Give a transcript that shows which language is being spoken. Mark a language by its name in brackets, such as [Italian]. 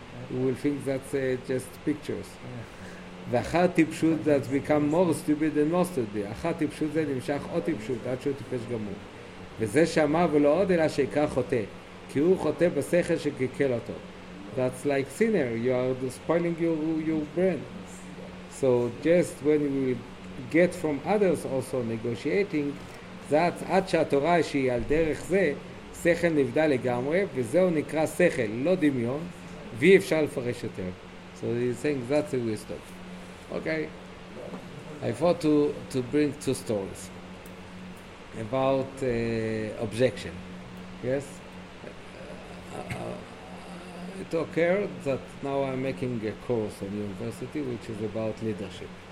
[English] He will think that's just pictures. [Hebrew] ואחר טיפשות [English] that become more stupid than most of them. [Hebrew] אחר טיפשות זה נמשך עוד טיפשות עד שהוא טיפש גמור. וזה שאמר ולא עוד אלא שעיקר חוטא, כי הוא חוטא בשכל שקלקל אותו. [English] That's like sinner, you are spoiling your brain. So just when we get from others also negotiating, that's [Hebrew] עד שהתורה שהיא על דרך זה, שכל נבדל לגמרי, וזהו נקרא שכל, לא דמיון, ואי אפשר לפרש יותר. [English] So he's saying that's a wisdom. Okay, I thought to bring two stories about objection. Yes, it occurred that now I'm making a course in university which is about leadership.